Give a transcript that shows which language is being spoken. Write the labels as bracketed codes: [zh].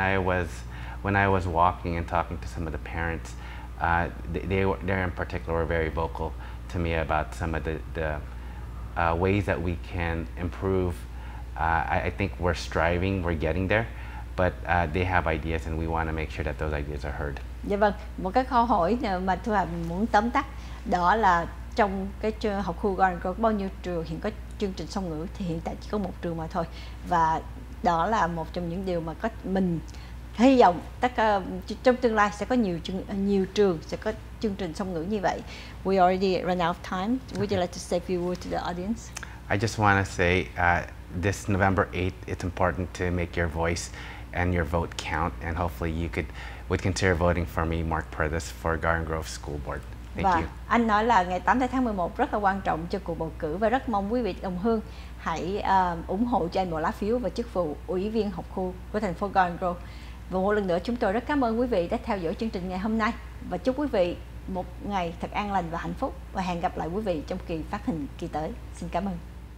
[en] When I was walking and talking to some of the parents, they in particular were very vocal to me about some of the ways that we can improve. I think we're striving, we're getting there, but they have ideas and we want to make sure that those ideas are heard. [vi] Dạ vâng, một cái câu hỏi mà Thu Hà muốn tóm tắt đó là trong cái học khu Garden Grove có bao nhiêu trường hiện có chương trình song ngữ, thì hiện tại chỉ có một trường mà thôi, và đó là một trong những điều mà mình hy vọng tất cả trong tương lai sẽ có nhiều trường sẽ có chương trình song ngữ như vậy. [en] We already run out of time. Would you like to say a few words to the audience? I just want to say this November 8th, it's important to make your voice and your vote count, and hopefully you would consider voting for me, Mark Perthes, for Garden Grove School Board. [vi] Và anh nói là ngày 8 tháng 11 rất là quan trọng cho cuộc bầu cử, và rất mong quý vị đồng hương hãy ủng hộ cho anh một lá phiếu và chức vụ ủy viên học khu của thành phố Garden Grove. Và một lần nữa chúng tôi rất cảm ơn quý vị đã theo dõi chương trình ngày hôm nay, và chúc quý vị một ngày thật an lành và hạnh phúc, và hẹn gặp lại quý vị trong kỳ phát hình kỳ tới. Xin cảm ơn.